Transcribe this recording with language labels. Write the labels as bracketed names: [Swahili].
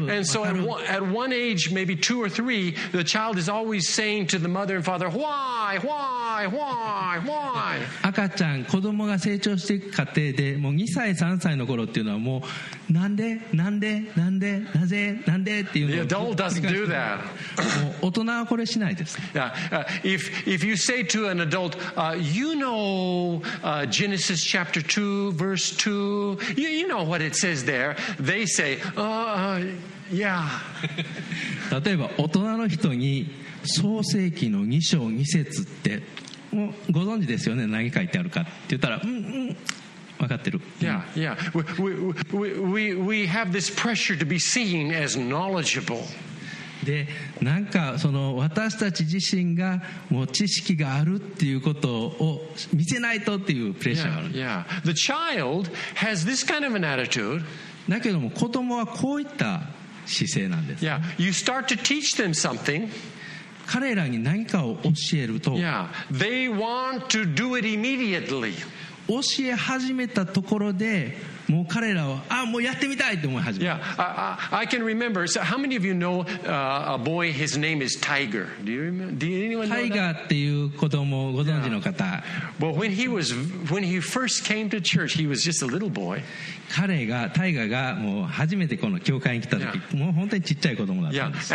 [English] And so at one age, maybe two or three, the child is always saying to the mother and father, "Why? Why? Why? [Japanese] 赤ちゃん子供が成長していく過程でもう2歳3歳の頃っていうのはもうなんでなんでなんでなぜなんでっていうのを繰り返して。 [English] The adult doesn't do that. [Japanese] 大人はこれしないです。 [English] Yeah. If you say to an adult, you know, Genesis chapter 2 verse 2, you know what it says there, they say, yeah. [Japanese] 例えば大人の人に創世記の2章2節ってもうご存知ですよね、何書いてあるかって言ったら、うんうん、分かってる。 [English] Yeah, yeah. We have this pressure to be seen as knowledgeable. [Japanese] でなんかその私たち自身がもう知識があるっていうことを見せないとっていうプレッシャーがある。 [English] yeah, yeah. The child has this kind of an attitude. [Japanese] だけども子供はこういった姿勢なんです、ね、 [English] yeah. You start to teach them something. [Japanese] 彼らに何かを教えると、 [English] yeah. They want to do it immediately. [Japanese] 教え始めたところでもう彼らはあもうやってみたいと思い始める。 [English] Yeah, I can remember. So how many of you know a boy? His name is Tiger. Do you remember? Do anyone know that? [Japanese] Tiger っていう子供ご存知の方。 [English] Yeah. Well, when he first came to church, he was just a little boy. [Japanese] 彼がタイガーがもう初めてこの教会に来た時、yeah. もう本当にちっちゃい子供だったんです。